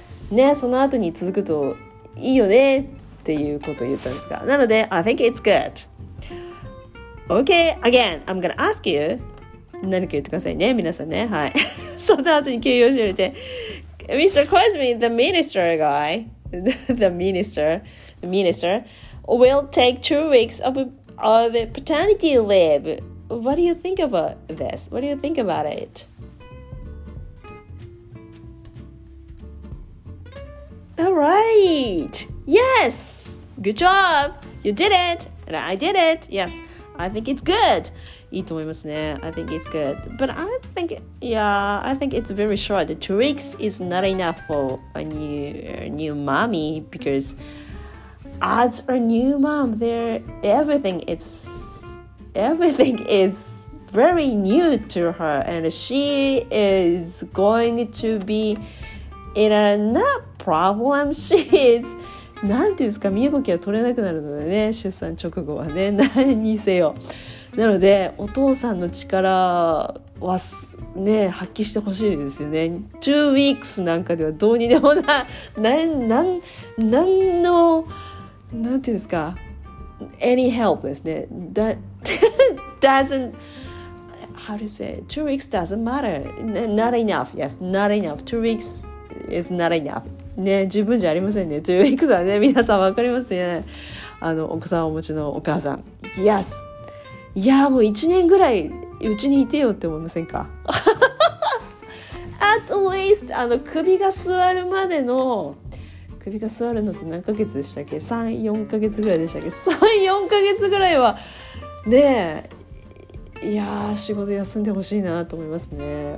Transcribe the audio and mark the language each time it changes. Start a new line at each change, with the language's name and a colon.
Japanese: ね、その後に続くといいよね。っていうことを言ったんですか。なので、
English: I think it's good. Okay, again, I'm gonna ask you.
Japanese: 何か言ってくださいね、皆さんね。はい。その後に形容詞入れて、Mr.
English: Koizumi, the minister guy, the minister, will take 2 weeks of paternity leave. What do you think about this? What do you think about it? All right. Yes. Good job. You did it. And I did it. Yes. I think it's good.
Japanese: いいと思いますね。
English: I think it's good. But I think it's very short. 2 weeks is not enough for a new mommy, because as a new mom, everything is very new to her, and she is going to be in a nap. Problem, she is.
Japanese: なんていうんですか、身動きが取れなくなるのでね、出産直後はね、何にせよ。なのでお父さんの力はね、発揮してほしいですよね。 2 weeks なんかではどうにでもな、なんの、なんていうんですか、
English: any help
Japanese: ですね。
English: how to say, 2 weeks doesn't matter, not enough, yes, not enough, 2 weeks is not enough.
Japanese: ね、十分じゃありませんね。というわけでね、皆さん分かりますね。あのお子さんをお持ちのお母さん、
English: Yes、
Japanese: いやもう1年ぐらいうちにいてよって思いませんか。
English: At least、
Japanese: あの首が座るまでの、首が座るのって何ヶ月でしたっけ、 3,4 ヶ月ぐらいでしたっけ、 3,4 ヶ月ぐらいはねえ、いや仕事休んでほしいなと思いますね。